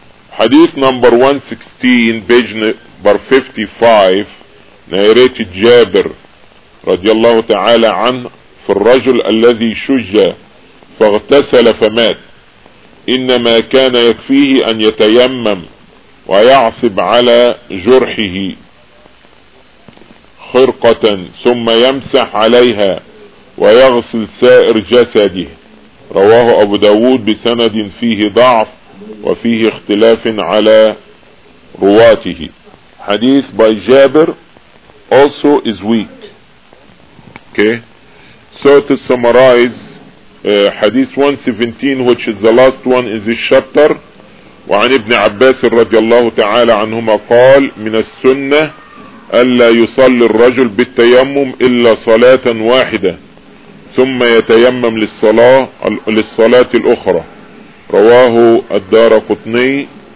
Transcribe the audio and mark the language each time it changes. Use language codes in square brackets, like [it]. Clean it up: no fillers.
[en] Hadith number 116, page number 55, narrated [ar] Jabir radiallahu ta'ala an fi al-rajul alladhi shujja faghtasala famat innama kana yakfihi an yatayammam ويعصب على جرحه خرقة ثم يمسح عليها ويغسل سائر جسده. رواه أبو داود بسند فيه ضعف وفيه اختلاف على رواته. [en] حديث by Jabir also is weak. Okay. So to summarize حديث 117 which is the last one in this chapter. [ar] وعن ابن عباس رضي الله تعالى عنهما قال من السنة ألا يصلي الرجل بالتيمم إلا صلاة واحدة ثم يتيمم للصلاة الأخرى. رواه الدارقطني